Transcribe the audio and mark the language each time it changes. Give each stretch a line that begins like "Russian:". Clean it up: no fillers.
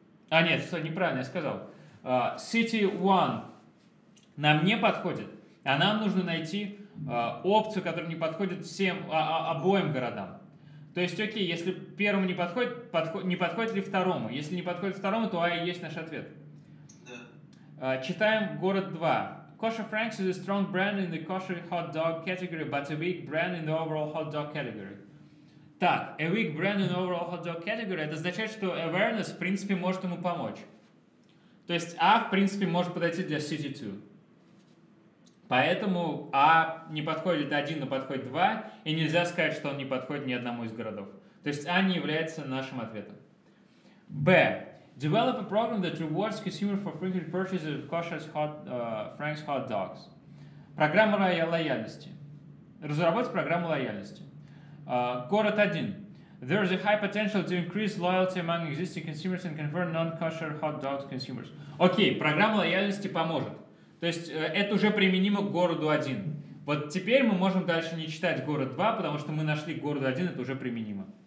Russian: А нет, что, неправильно я сказал. City 1 нам не подходит, а нам нужно найти опцию, которая не подходит всем, обоим городам. То есть, окей, если первому не подходит, не подходит ли второму? Если не подходит второму, то А и есть наш ответ. Читаем город 2.
English: Kosher Frank's is a strong brand in the kosher hot dog category, but a weak brand in the overall hot dog category.
Russian: Так, a weak brand in the overall hot dog category, это означает, что awareness, в принципе, может ему помочь. То есть, А, в принципе, может подойти для City 2. Поэтому А не подходит 1, но подходит 2, и нельзя сказать, что он не подходит ни одному из городов. То есть, А не является нашим ответом.
English: Б. Develop a program that rewards consumers for frequent purchases of kosher Frank's hot dogs.
Russian: Программа лояльности. Разработать программу лояльности. Город 1.
English: There is a high potential to increase loyalty among existing consumers and convert non-kosher hot dogs consumers.
Russian: Окей, программа лояльности поможет. То есть это уже применимо к городу 1. Вот теперь мы можем дальше не читать город 2, потому что мы нашли город 1, это уже применимо.